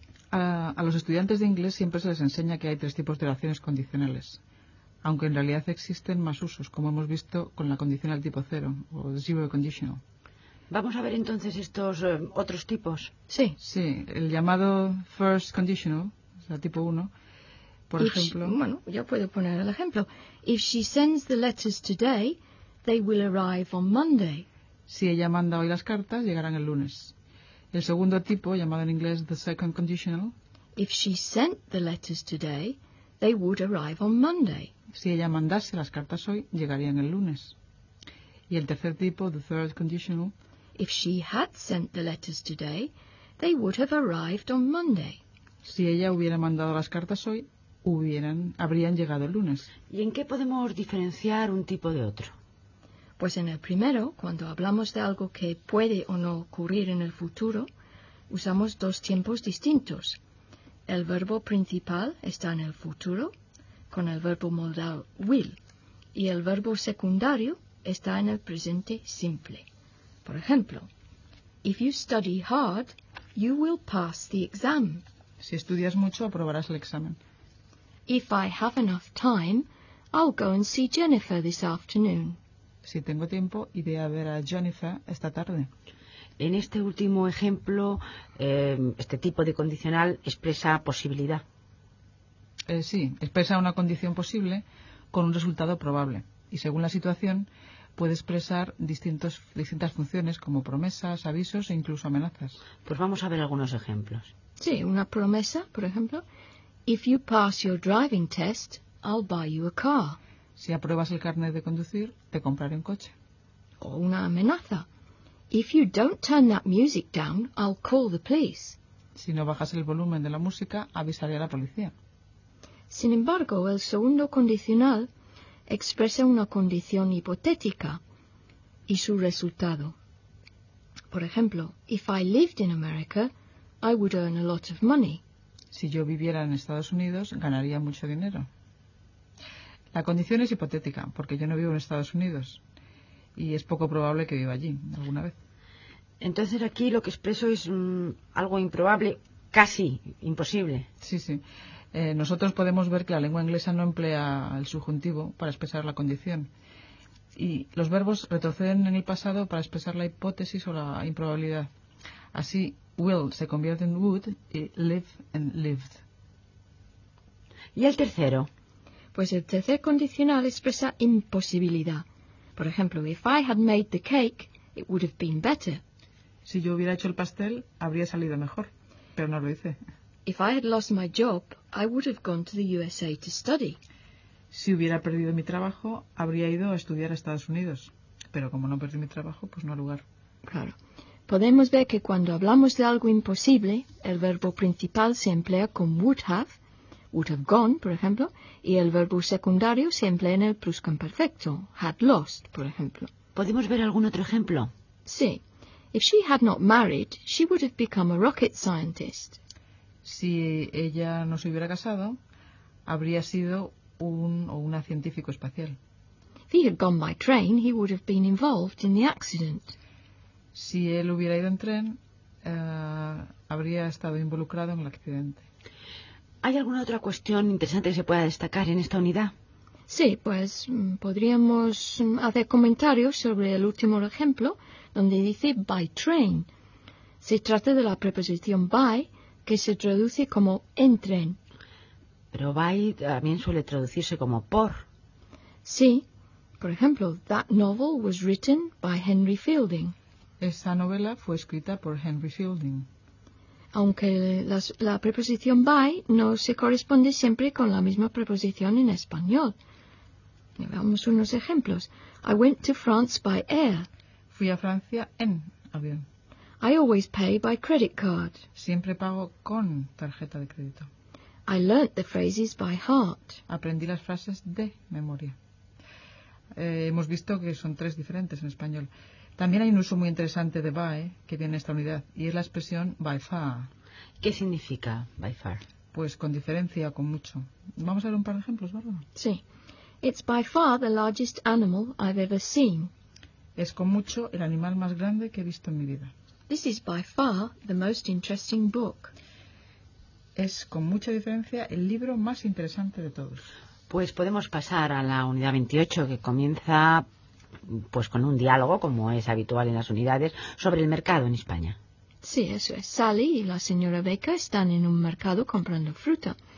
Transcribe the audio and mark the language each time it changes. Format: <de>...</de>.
<es>A los estudiantes de inglés siempre se les enseña que hay tres tipos de oraciones condicionales, aunque en realidad existen más usos, como hemos visto con la condicional tipo cero, o zero conditional. Vamos a ver entonces estos otros tipos. Sí. Sí, el llamado first conditional, o sea, tipo uno, por ejemplo. Bueno, yo puedo poner el ejemplo.</es> <en>If she sends the letters today, they will arrive on Monday.</en> <es>Si ella manda hoy las cartas, llegarán el lunes. El segundo tipo, llamado en inglés the second conditional.</es> <en>If she sent the letters today, they would arrive on Monday.</en> <es>Si ella mandase las cartas hoy, llegarían el lunes. Y el tercer tipo, the third conditional.</es> <en>If she had sent the letters today, they would have arrived on Monday.</en> <es>Si ella hubiera mandado las cartas hoy, habrían llegado el lunes. ¿Y en qué podemos diferenciar un tipo de otro? Pues en el primero, cuando hablamos de algo que puede o no ocurrir en el futuro, usamos dos tiempos distintos. El verbo principal está en el futuro, con el verbo modal will, y el verbo secundario está en el presente simple. Por ejemplo,</es> <en>if you study hard, you will pass the exam.</en> <es>Si estudias mucho, aprobarás el examen.</es> <en>If I have enough time, I'll go and see Jennifer this afternoon.</en> <es>Si tengo tiempo, iré a ver a Jennifer esta tarde. En este último ejemplo, este tipo de condicional expresa posibilidad. Sí, expresa una condición posible con un resultado probable. Y según la situación, puede expresar distintas funciones como promesas, avisos e incluso amenazas. Pues vamos a ver algunos ejemplos. Sí, una promesa, por ejemplo.</es> <en>If you pass your driving test, I'll buy you a car.</en> <es>Si apruebas el carnet de conducir, te compraré un coche. O una amenaza.</es> <en>If you don't turn that music down, I'll call the police.</en> <es>Si no bajas el volumen de la música, avisaré a la policía. Sin embargo, el segundo condicional expresa una condición hipotética y su resultado. Por ejemplo,</es> <en>if I lived in America, I would earn a lot of money.</en> <es>Si yo viviera en Estados Unidos, ganaría mucho dinero. La condición es hipotética, porque yo no vivo en Estados Unidos. Y es poco probable que viva allí alguna vez. Entonces aquí lo que expreso es algo improbable, casi imposible. Sí, sí. Nosotros podemos ver que la lengua inglesa no emplea el subjuntivo para expresar la condición. Y los verbos retroceden en el pasado para expresar la hipótesis o la improbabilidad. Así, will se convierte en would y live en lived. ¿Y el tercero? Pues el tercer condicional expresa imposibilidad. Por ejemplo,</es> <en>if I had made the cake, it would have been better.</en> <es>Si yo hubiera hecho el pastel, habría salido mejor, pero no lo hice.</es> <en>If I had lost my job, I would have gone to the USA to study.</en> <es>Si hubiera perdido mi trabajo, habría ido a estudiar a Estados Unidos, pero como no perdí mi trabajo, pues no hay lugar. Claro. Podemos ver que cuando hablamos de algo imposible, el verbo principal se emplea con would have gone, por ejemplo, y el verbo secundario se emplea en el pluscuamperfecto, had lost, por ejemplo. ¿Podemos ver algún otro ejemplo? Sí.</es> <en>If she had not married, she would have become a rocket scientist.</en> <es>Si ella no se hubiera casado, habría sido una científico espacial.</es> <en>If he had gone by train, he would have been involved in the accident.</en> <es>Si él hubiera ido en tren, habría estado involucrado en el accidente. ¿Hay alguna otra cuestión interesante que se pueda destacar en esta unidad? Sí, pues podríamos hacer comentarios sobre el último ejemplo, donde dice by train. Se trata de la preposición by, que se traduce como en tren. Pero by también suele traducirse como por. Sí, por ejemplo,</es> <en>that novel was written by Henry Fielding.</en> <es>Esa novela fue escrita por Henry Fielding. Aunque la preposición by no se corresponde siempre con la misma preposición en español. Veamos unos ejemplos.</es> <en>I went to France by air.</en> <es>Fui a Francia en avión.</es> <en>I always pay by credit card.</en> <es>Siempre pago con tarjeta de crédito.</es> <en>I learnt the phrases by heart.</en> <es>Aprendí las frases de memoria. Hemos visto que son tres diferentes en español. También hay un uso muy interesante de by que viene en esta unidad y es la expresión by far. ¿Qué significa by far? Pues con diferencia, con mucho. Vamos a ver un par de ejemplos, ¿verdad? Sí.</es> <en>It's by far the largest animal I've ever seen.</en> <es>Es con mucho el animal más grande que he visto en mi vida.</es> <en>This is by far the most interesting book.</en> <es>Es con mucha diferencia el libro más interesante de todos. Pues podemos pasar a la unidad 28 que comienza pues con un diálogo, como es habitual en las unidades, sobre el mercado en España. Sí, eso es. Sally y la señora Baker están en un mercado comprando fruta.</es>